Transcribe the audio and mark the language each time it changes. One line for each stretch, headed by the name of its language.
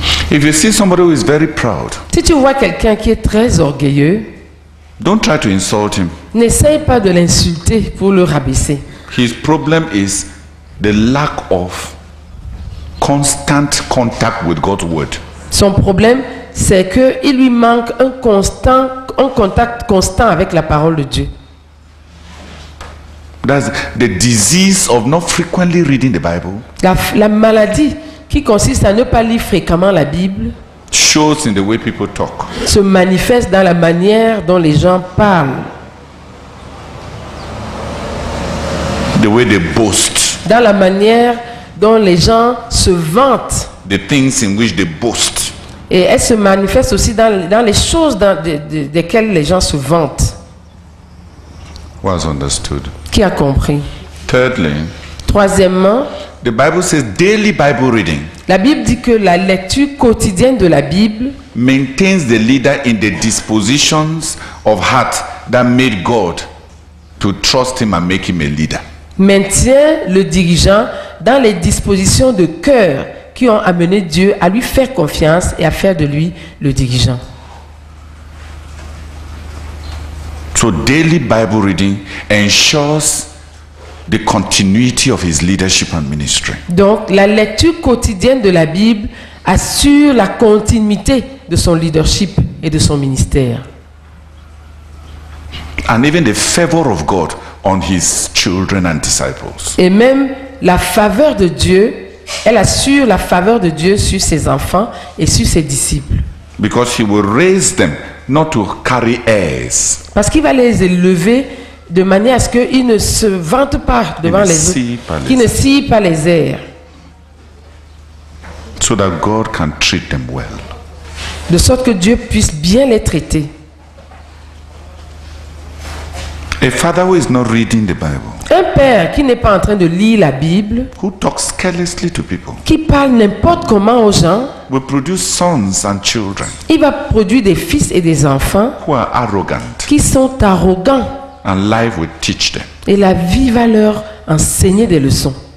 English: If you see somebody who is very proud,
French: si tu vois quelqu'un qui est très orgueilleux,
English: don't try to insult him.
French: N'essaye pas de l'insulter pour le rabaisser.
English: His problem is the lack of constant contact with God's word.
French: Son problème, c'est que il lui manque un contact constant avec la parole de Dieu.
English: That's the disease of not frequently reading the Bible.
French: La maladie qui consiste à ne pas lire fréquemment la Bible
English: shows in the way people talk.
French: Se manifeste dans la manière dont les gens parlent.
English: The way they boast.
French: Dans la manière dont les gens se vantent.
English: The things in which they boast.
French: Et elle se manifeste aussi dans les choses desquelles les gens se vantent.
English: Was understood.
French: Qui a compris?
English: Thirdly.
French: Troisièmement.
English: The Bible says daily Bible reading.
French: La Bible dit que la lecture quotidienne de la Bible
English: maintains the leader in the dispositions of heart that made God to trust him and make him a leader.
French: Maintient le dirigeant dans les dispositions de cœur qui ont amené Dieu à lui faire confiance et à faire de lui le dirigeant.
English: So daily Bible reading ensures the continuity of his leadership and ministry.
French: Donc la lecture quotidienne de la Bible assure la continuité de son leadership et de son ministère.
English: And even the favor of God on his children and disciples.
French: Et même la faveur de Dieu, elle assure la faveur de Dieu sur ses enfants et sur ses disciples.
English: Because he will raise them not to carry heirs.
French: Parce qu'il va les élever de manière à ce qu'ils ne se vantent pas devant les autres, qu'ils ne scient pas les airs.
English: So that God can treat them well.
French: De sorte que Dieu puisse bien les traiter.
English: A father who is not reading the Bible,
French: un père qui n'est pas en train de lire la Bible,
English: who talks carelessly to people,
French: qui parle n'importe comment aux gens,
English: will produce sons and children,
French: il va produire des fils et des enfants
English: who are arrogant,
French: qui sont arrogants.
English: And life will teach them.
French: Et la vie va leur enseigner des leçons.